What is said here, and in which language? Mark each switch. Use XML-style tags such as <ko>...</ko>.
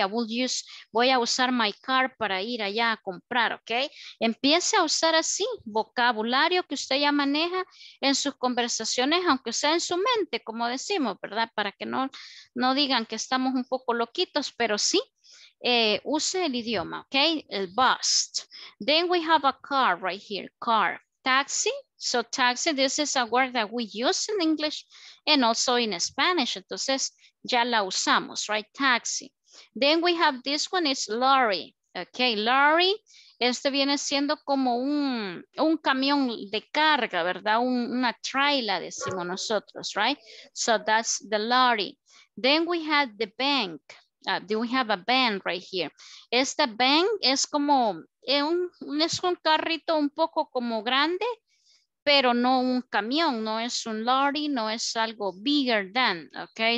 <en>I will use,</en> <es>voy a usar</es> <en>my car</en> <es>para ir allá a comprar, ¿ok? Empiece a usar así, vocabulario que usted ya maneja en sus conversaciones, aunque sea en su mente, como decimos, ¿verdad? Para que no digan que estamos un poco loquitos, pero sí. Use el idioma, okay? El bus.</es> <en>Then we have a car right here, car. Taxi, so taxi, this is a word that we use in English and also in Spanish.</en> <es>Entonces, ya la usamos,</es> <en>right? Taxi. Then we have this one, it's lorry, okay?</en> <es>Lorry, este viene siendo como un camión de carga, ¿verdad? Una traila, decimos nosotros, right?</es> <en>So that's the lorry. Then we have the bank. Do we have a van right here?</en> <es>Esta van es como, es un carrito un poco como grande, pero no un camión, no es un lorry, no es algo</es> <en>bigger than,</en> <es>okay?</es>